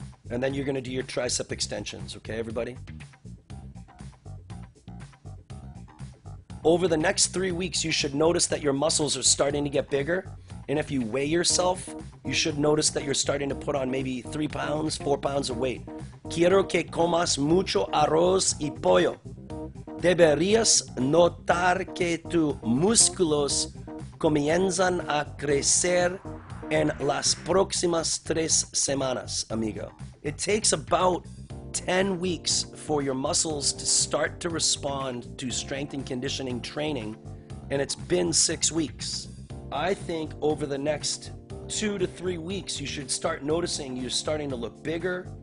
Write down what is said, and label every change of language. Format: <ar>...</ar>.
<en>And then you're gonna do your tricep extensions, okay, everybody? Over the next 3 weeks, you should notice that your muscles are starting to get bigger. And if you weigh yourself, you should notice that you're starting to put on maybe 3 pounds, 4 pounds of weight.</en> <es>Quiero que comas mucho arroz y pollo. Deberías notar que tus músculos comienzan a crecer en las próximas 3 semanas, amigo.</es> <en>It takes about 10 weeks for your muscles to start to respond to strength and conditioning training, and it's been 6 weeks. I think over the next 2 to 3 weeks, you should start noticing you're starting to look bigger.</en>